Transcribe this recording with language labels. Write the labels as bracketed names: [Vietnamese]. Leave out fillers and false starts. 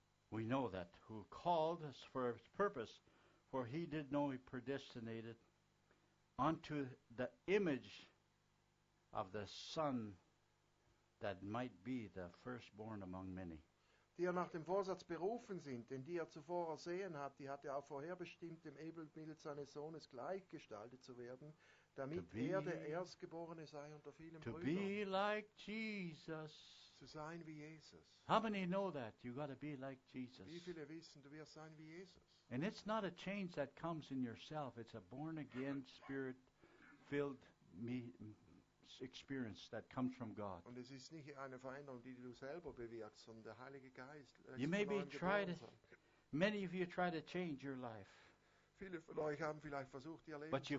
[English] We know that who called us for a purpose, for He did know He predestinated unto the image of the Son that might be the firstborn among many. [German] Die er nach dem Vorsatz berufen sind, denn die er zuvor ersehen hat, die hat er auch vorherbestimmt, dem Ebenbild seines Sohnes gleichgestaltet zu werden, damit er der Erstgeborene sei unter vielen [English] to [German] Brüdern. [English] To be like Jesus. [German] Zu sein wie Jesus. [English] How many know that? You got to be like Jesus. [German] Wie viele wissen, du wirst sein wie Jesus. [English] And it's not a change that comes in yourself. It's a born-again, spirit-filled experience that comes from God. [German] Und es ist nicht eine Veränderung, die du selber bewirkst, sondern der Heilige Geist. [English] You may be tried. Many of you try to change your life. [German] Viele von euch haben vielleicht versucht, ihr Leben zu